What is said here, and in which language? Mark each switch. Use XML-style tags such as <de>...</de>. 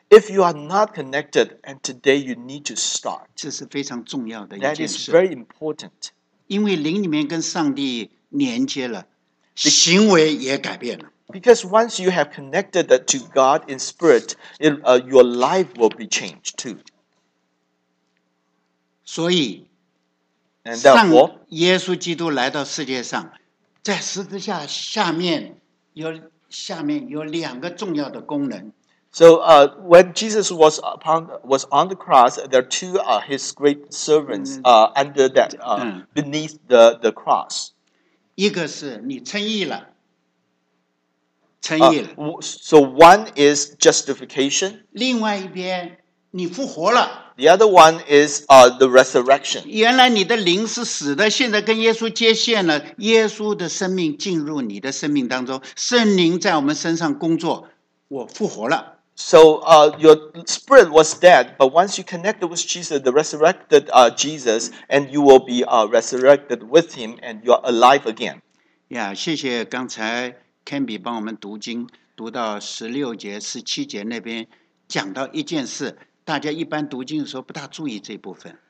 <en>If you are not connected, and today you need to start.</en> <zh>这是非常重要的一件事。</zh> <en>That is very important.</en> <zh>因为灵里面跟上帝连接了，行为也改变了。</zh> <en>Because once you have connected to God in spirit, your life will be changed too.</en> <zh>所以，上耶稣基督来到世界上，在十字架下面下面有两个重要的功能。</zh> <en>So when Jesus was on the cross, there are two his great servants under that beneath the cross.</en> <zh>一个是你称义了，称义了。</zh> <en>So one is justification.</en> <zh>另外一边你复活了。</zh> <en>The other one is the resurrection.</en> <zh>原来你的灵是死的，现在跟耶稣接线了，耶稣的生命进入你的生命当中，圣灵在我们身上工作，我复活了。</zh> <en>So your spirit was dead, but once you connected with Jesus, the resurrected Jesus, and you will be resurrected with him, and you are alive again.</en> <zh>Yeah, 谢谢刚才 Kenby 帮我们读经，读到十六节、十七节那边讲到一件事，大家一般读经的时候不大注意这部分。</zh>